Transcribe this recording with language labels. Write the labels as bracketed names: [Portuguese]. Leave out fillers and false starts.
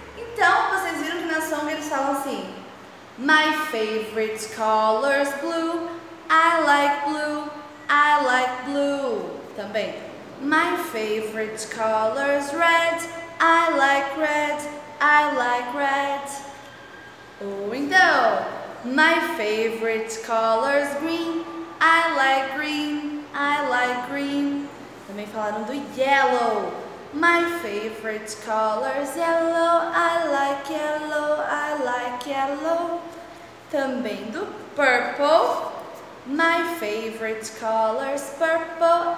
[Portuguese] Então, vocês viram que na song eles falam assim: [English] My favorite color is blue. I like blue. I like blue. [Portuguese] Também. [English] My favorite color is red. I like red. I like red. [Portuguese] Ou então, [English] my favorite color is green. I like green. I like green. [Portuguese] Também falaram do yellow. [English] My favorite color is yellow. I like yellow. I like yellow. [Portuguese] Também do [English] purple. My favorite color is purple.